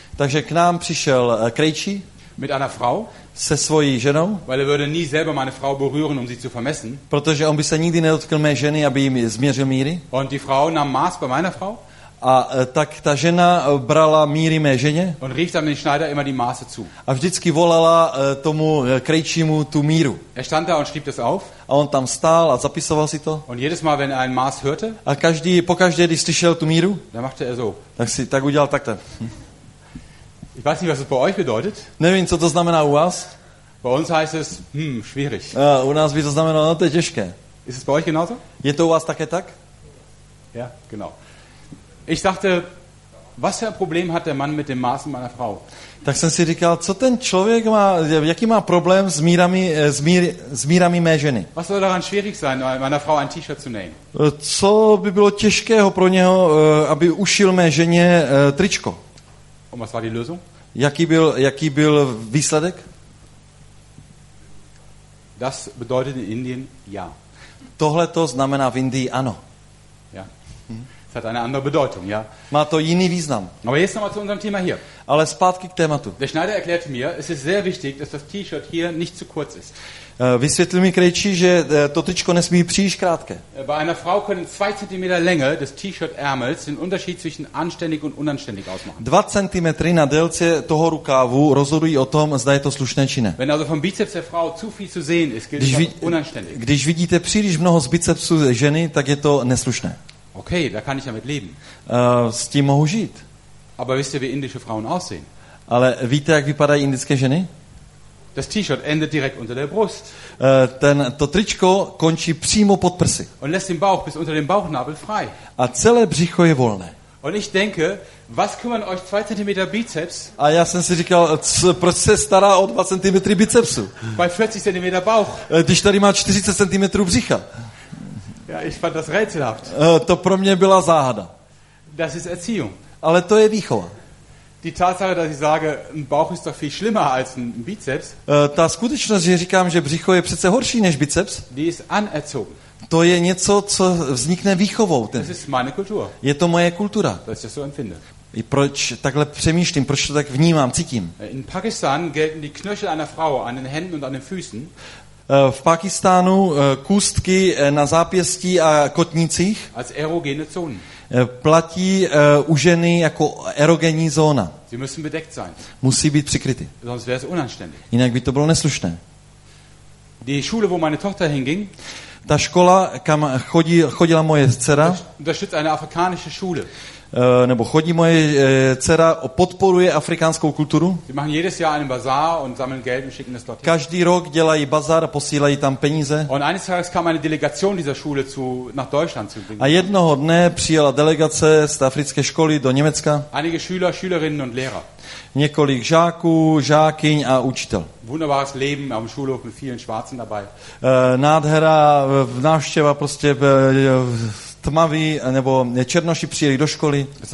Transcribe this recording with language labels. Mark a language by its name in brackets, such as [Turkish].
[Czech] Takže k nám přišel krejčí. [German] mit einer Frau, [Czech] se svojí ženou, [German] weil er würde nie selber meine Frau berühren, um sie zu vermessen. [Czech] Protože on by se nikdy nedotkl mé ženy, aby jí změřil míry. [German] Und die Frau nahm Maß bei meiner Frau. [Czech] A tak ta žena brala míry mé ženě. [German] Und rief dann den Schneider immer die Maße zu. [Czech] A vždycky volala tomu krejčímu tu míru. [German] Er stand da und schrieb das auf. [Czech] A on tam stál a zapisoval si to. [German] Und jedes Mal, wenn er ein Maß hörte, [Czech] a každý, pokaždé, když slyšel tu míru, [German] dann machte er so. [Czech] Tak si tak udělal takto. [German] Ich weiß nicht, was es bei euch bedeutet. [Czech] Nevím, co to znamená u vás. [German] Bei uns heißt es, schwierig. [Czech] A u nás by to znamenalo, no to je těžké. [German] Ist es bei euch genauso? [Czech] Je to u vás také tak? [German] Ja, genau. Ich dachte, was für ein Problem hat der Mann mit dem Maßen meiner Frau? [Czech] Tak jsem si říkal, co ten člověk má, jaký má problém s mírami, s mírami mé ženy? [German] Was soll daran schwierig sein, meiner Frau ein T-Shirt zu nähen? [Czech] Co by bylo těžkého pro něho, aby ušil mé ženě tričko? [German] Und was war die Lösung? [Czech] Jaký byl výsledek? [German] Das bedeutet in Indien ja. [Czech] Tohle to znamená v Indii ano. [German] Ja. Es hat eine andere Bedeutung, ja. [Czech] Má to jiný význam. [German] Aber jetzt nochmal zu unserem Thema hier. [Czech] Ale zpátky k tématu. [German] Der Schneider erklärte mir, es ist sehr wichtig, dass das T-Shirt hier nicht zu kurz ist. [Czech] Vysvětlil mi krejčí, že to tričko nesmí příliš krátké. [German] Bei einer Frau können 2 cm Länge des T-Shirt-Ärmels den Unterschied zwischen anständig und unanständig ausmachen. [Czech] 2 cm na délce toho rukávu rozhodují o tom, zda je to slušné či ne. [German] Wenn also vom Bizeps der Frau zu viel zu sehen ist, gilt es als unanständig. [Czech] Když vidíte příliš mnoho z bicepsu ženy, tak je to neslušné. [German] Okay, da kann ich damit leben. [Czech] S tím mohu žít. [German] Aber wisst ihr, wie indische Frauen aussehen? [Czech] Ale víte, jak vypadají indické ženy? [German] Das T-Shirt endet direkt unter der Brust. [Czech] To tričko končí přímo pod prsy. [German] Und lässt den Bauch bis unter den Bauchnabel frei. [Czech] A celé břicho je volné. [German] Und ich denke, was kümmern euch 2 cm Bizeps? [Czech] A já jsem si říkal, proč se stará o 2 cm bicepsu? [German] Bei 40 cm Bauch. [Czech] Když tady má 40 cm břicha. [German] Ja, ich fand das rätselhaft. [Czech] To pro mě byla záhada. [German] Das ist Erziehung. [Czech] Ale to je výchova. [German] Die Tatsache, dass ich sage, ein Bauch ist doch viel schlimmer als ein Bizeps. [Czech] Ta skutečnost, že říkám, že břicho je přece horší než biceps. [German] Die ist anerzogen. [Czech] To je něco, co vznikne výchovou. [German] Das ist meine Kultur. [Czech] Je to moje kultura. [German] Das ist so empfinde. [Czech] I proč takhle přemýšlím, proč to tak vnímám, cítím. [German] In Pakistan gelten die Knöchel einer Frau an den Händen und an den Füßen. [Czech] V Pakistánu kůstky na zápěstí a kotnicích. [German] Als erogene Zonen. [Czech] Platí u ženy jako erogenní zóna. [German] Sie müssen bedeckt sein. [Czech] Musí být přikryty. [German] Sonst wäre es unanständig. [Czech] Jinak by to bylo neslušné. [German] Die Schule, wo meine Tochter hinging, [Czech] ta škola, kam chodila moje dcera, [German] unterstützt eine afrikanische Schule. [Czech] Nebo chodí moje dcera, podporuje afrikánskou kulturu. [German] Sie machen jedes Jahr einen Bazar und sammeln Geld und schicken es dorthin. [Czech] Každý rok dělají bazar, posílají tam peníze. [German] Und eines Tages kam eine Delegation dieser Schule nach Deutschland zu bringen. [Czech] A jednoho dne přijela delegace z africké školy do Německa. [German] Einige Schüler, Schülerinnen und Lehrer. [Czech] Několik žáků, žákyň a učitel. [German] Wunderbares Leben am Schulhof mit vielen Schwarzen dabei. [Czech] Nádhera, návštěva prostě tmavý, nebo černoši přijeli do školy.